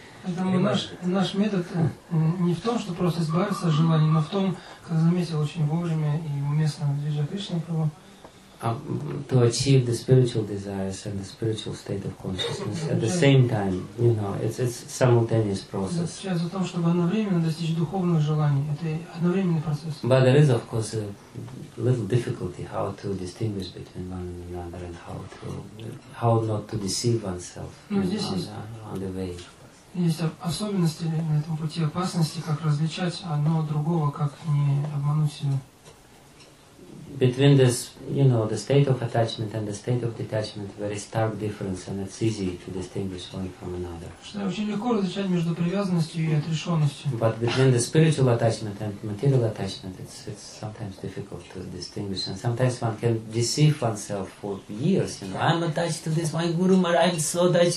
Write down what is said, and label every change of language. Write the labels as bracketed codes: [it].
[ru] Поэтому наш метод не в том, что просто избавиться от желаний, но в том, как заметил очень вовремя и уместно Vijay Krishna Prabhu, [en] to achieve the spiritual desires and the spiritual state of consciousness at the same time, you know, it's simultaneous process. But there is, of course, a little difficulty how to distinguish between one and another and how not to deceive oneself on the way. [ru] Есть особенности на этом пути опасности, как различать одно от другого, как не обмануть себя. [en] Between this, you know, the state of attachment and the state of detachment, very stark difference, and it's easy to distinguish one from another. [ru] Что очень легко различать между привязанностью и отрешенностью. [en] But between the spiritual attachment and material attachment, it's sometimes difficult to distinguish, and sometimes one can deceive oneself for years. You know, I'm attached to this, my guru, I'm so attached.